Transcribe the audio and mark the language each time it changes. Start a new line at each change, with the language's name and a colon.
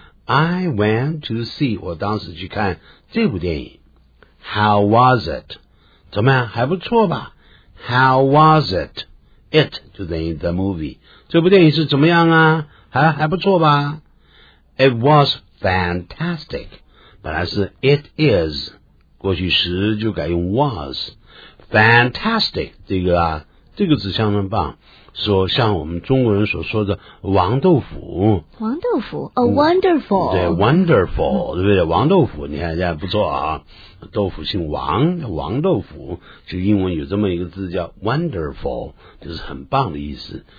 English: I went to see，
Chinese: 我当时去看这部电影。
English: How was it？
Chinese: 怎么样？还不错吧 ？
English: How was it？
Chinese: It 就等于
English: the movie。
Chinese: 这部电影是怎么样啊？还不错吧
English: ？It was fantastic。
Chinese: 本来是
English: it is，
Chinese: 过去时就改用 was。 Fantastic 这个啊，这个词相当棒，说像我们中国人所说的王豆腐。
English: 王豆腐 ，a wonderful。
Chinese: 对 ，wonderful， 对不对？王豆腐，你看这样不错啊。豆腐姓王，王豆腐，就英文有这么一个字叫 wonderful， 就是很棒的意思。